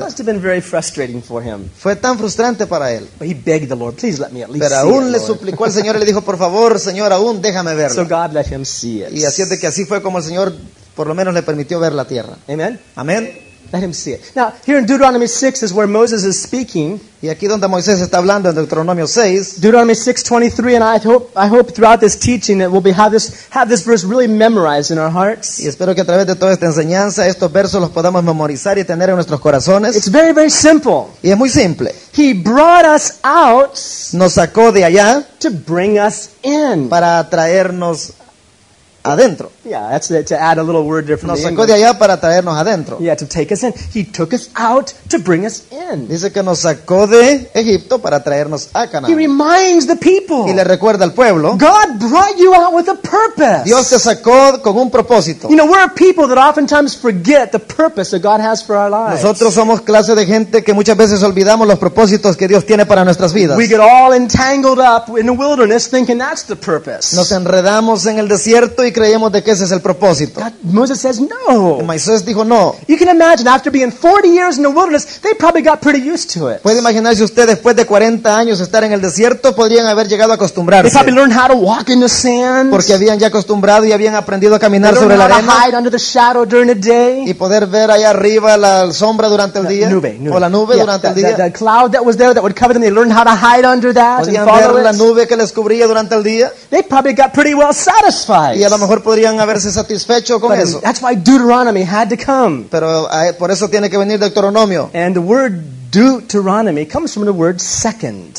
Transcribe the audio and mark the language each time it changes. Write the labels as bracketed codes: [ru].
[en] It must have been very frustrating for him. [es] Fue tan frustrante para él. [en] But he begged the Lord, please let me at least see it. [es] Pero aún le suplicó al Señor y le dijo, por favor, Señor, aún déjame verlo. [en] So God let him see it. [es] Y así es de que así fue como el Señor por lo menos le permitió ver la tierra. [en] Amen. [es] Amen. [en] Let him see it. Now, here in Deuteronomy 6 is where Moses is speaking. [es] Y aquí donde Moisés está hablando en Deuteronomio 6. [en] Deuteronomy 6:23, and I hope throughout this teaching that we'll be have this verse really memorized in our hearts. [es] Y espero que a través de toda esta enseñanza estos versos los podamos memorizar y tener en nuestros corazones. [en] It's very, very simple. [es] Y es muy simple. [en] He brought us out. [es] Nos sacó de allá. [en] To bring us in. [es] Para traernos adentro. [en] Yeah, that's to add a little word there from [es] nos [en] the [es] sacó de allá para traernos adentro. [en] Yeah, to take us in. He took us out to bring us in. [es] Dice que nos sacó de Egipto para traernos a Canaán. [en] He reminds the people. [es] Y le recuerda al pueblo. [en] God brought you out with a purpose. [es] Dios te sacó con un propósito. [en] You know, we're a people that oftentimes forget the purpose that God has for our lives. [es] Nosotros somos clase de gente que muchas veces olvidamos los propósitos que Dios tiene para nuestras vidas. [en] We get all entangled up in the wilderness thinking that's the purpose. [es] Nos enredamos en el desierto y creemos de que ese es el propósito. [en] Moses says no. [es] Moisés dijo no. [en] You can imagine after being 40 years in the wilderness, they probably got pretty used to it. [es] Puede imaginarse usted después de 40 años estar en el desierto, podrían haber llegado a acostumbrarse. [en] They probably learned how to walk in the sand. [es] Porque habían ya acostumbrado y habían aprendido a caminar sobre la arena. [en] Hide under the shadow during the day. [es] Y poder ver allá arriba la sombra durante el día. Nube. O la nube durante el día. [en] The cloud that was there that would cover them, they learned how to hide under that. [es] Podían ver la nube que les cubría durante el día. [en] They probably got pretty well satisfied. [es] Y a lo mejor podrían haberse satisfecho con [en] but [es] eso. [en] That's why Deuteronomy had to come. [es] Pero por eso tiene que venir Deuteronomio. [en] And the word Deuteronomy comes from the word second.